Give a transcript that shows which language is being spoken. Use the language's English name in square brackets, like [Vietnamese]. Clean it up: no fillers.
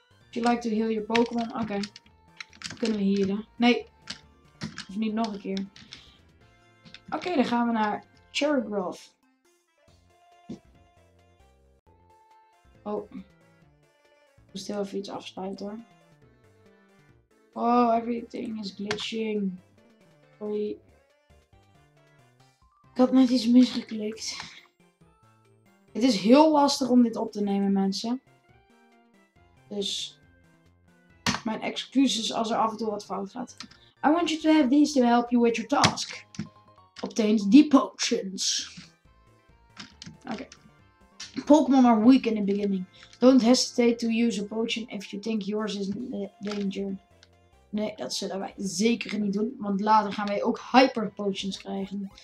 [English] If you like to heal your Pokémon, okay. [Dutch] Kunnen we healen? Nee. Of niet nog een keer. Oké, dan gaan we naar Cherubrov. Oh. Ik stel even iets afsluiten hoor. Oh, [English] everything is glitching. Sorry. [Dutch] Ik had net iets misgeklikt. Het is heel lastig om dit op te nemen, mensen. Dus. Mijn excuses als er af en toe wat fout gaat. [English] I want you to have these to help you with your task. Obtains the potions. Okay. Pokemon are weak in the beginning. Don't hesitate to use a potion if you think yours is in danger. [Dutch] Nee, dat zullen wij zeker niet doen. Want later gaan wij ook hyper potions krijgen.